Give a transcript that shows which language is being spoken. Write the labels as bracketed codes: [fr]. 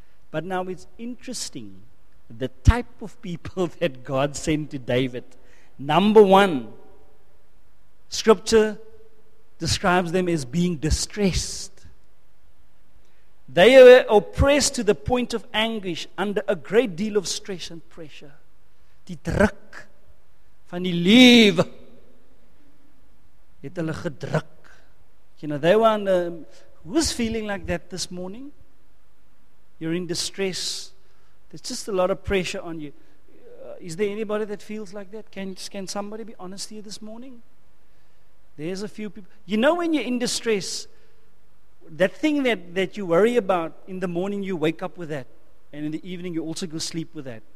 [en] But now it's interesting, the type of people that God sent to David. Number one, Scripture describes them as being distressed. They were oppressed to the point of anguish under a great deal of stress and pressure. [af] Die druk van die lewe het hulle gedruk. [en] You know, they were under, who's feeling like that this morning? You're in distress. There's just a lot of pressure on you. Is there anybody that feels like that? Can somebody be honest here this morning? There's a few people. You know, when you're in distress, that thing that you worry about, in the morning you wake up with that, and in the evening you also go sleep with that.